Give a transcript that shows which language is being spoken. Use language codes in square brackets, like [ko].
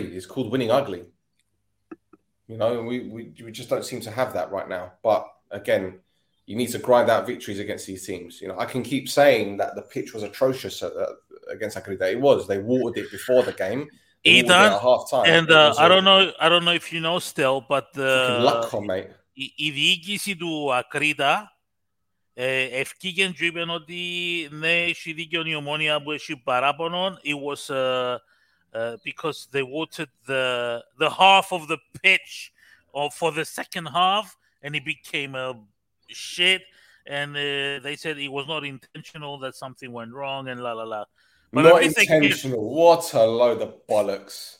[en] It's called winning ugly. You know, we just don't seem to have that right now. But again, you need to grind out victories against these teams. You know, I can keep saying that the pitch was atrocious against Agrida. It was. They watered it before the game. Ethan, half time. And I don't know if you know Stel, but luck on, mate. [el] Η διοίκηση του Ακρίτα ευκήγεν και είπε ότι ναι, έχει δίκιο η Ομόνια που έχει παράπονο. [en] It was because they watered the half of the pitch for the second half and it became a shit. And they said it was not intentional, that something went wrong and la la la. But not intentional. What a load of bollocks.